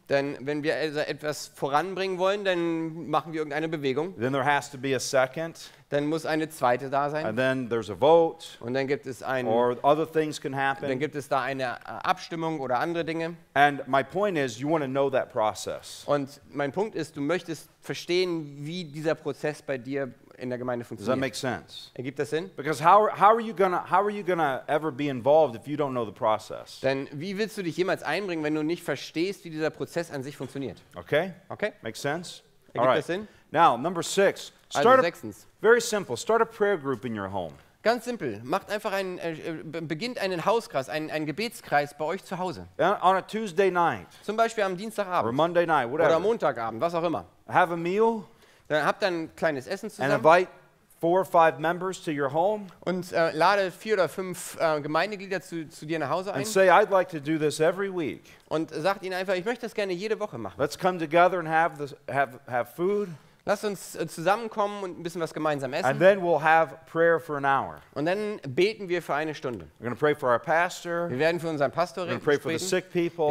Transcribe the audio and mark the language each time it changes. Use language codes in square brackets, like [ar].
[de] Denn wenn wir also etwas voranbringen wollen, dann machen wir irgendeine Bewegung. [en] Then there has to be a second. [de] Dann muss eine zweite da sein. [en] And then there's a vote. [de] Und dann gibt es ein. [en] Or other things can happen. [de] Dann gibt es da eine Abstimmung oder andere Dinge. [en] And my point is, you want to know that process. [de] Und mein Punkt ist, du möchtest verstehen, wie dieser Prozess bei dir. In der Gemeinde funktioniert. [en] Does that make sense? [de] Ergibt das Sinn? [en] Because how are you gonna ever be involved if you don't know the process? [de] Denn wie willst du dich jemals einbringen, wenn du nicht verstehst, wie dieser Prozess an sich funktioniert? [en] Okay. [de] Okay. [en] Makes sense. [de] Ergibt [en] All right. [de] das Sinn? [en] Now number six. [de] Start also sechstens. [en] Very simple. Start a prayer group in your home. [de] Ganz simpel. Macht einfach einen beginnt einen Hauskreis, einen Gebetskreis bei euch zu Hause. [en] On a Tuesday night. [de] Zum Beispiel am Dienstagabend. [en] Or Monday night. Whatever. [de] Oder Montagabend. Was auch immer. [en] Have a meal. [de] Dann habt ein kleines Essen zusammen. [en] And invite four or five members to your home. [de] Und lade vier oder fünf Gemeindeglieder zu dir nach Hause ein. [en] And say, I'd like to do this every week. [de] Und sagt ihnen einfach, ich möchte das gerne jede Woche machen. [en] Let's come together and have food. [de] Lass uns zusammenkommen und ein bisschen was gemeinsam essen. [en] And then we'll have prayer for an hour. [de] Und dann beten wir für eine Stunde. [en] We're going to pray for our pastor. [de] Wir werden für unseren Pastor beten. [en] We're going to pray for the sick people.